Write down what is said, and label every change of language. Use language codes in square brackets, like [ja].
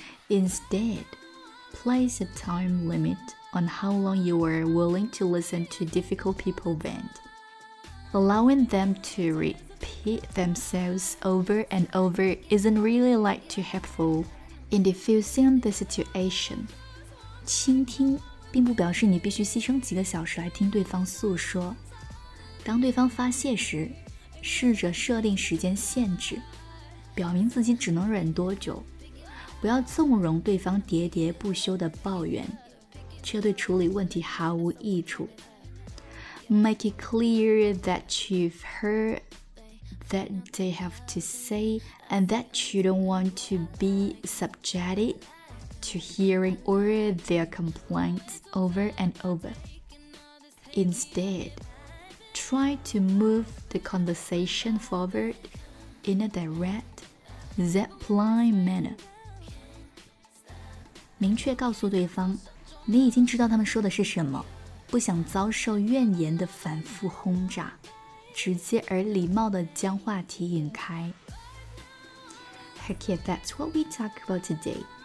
[en] Instead, place a time limit on how long you are willing to listen to difficult people vent, allowing them to repeat themselves over and over isn't really like too helpful in diffusing the situation. [zh] 倾听并不表示你必须牺牲几个小时来听对方诉说。当对方发泄时，试着设定时间限制，表明自己只能忍多久，不要纵容对方喋喋不休的抱怨，这对处理问题毫无益处。 [en] Make it clear that you've heard that they have to say and that you don't want to be subjected to hearing or their complaints over and over. Instead, try to move the conversation forward in a direct, zipline manner. [zh] 明确告诉对方你已经知道他们说的是什么，不想遭受怨言的反复轰炸，直接而礼貌地将话题引开。 [en] Heck yeah, that's what we talk about today.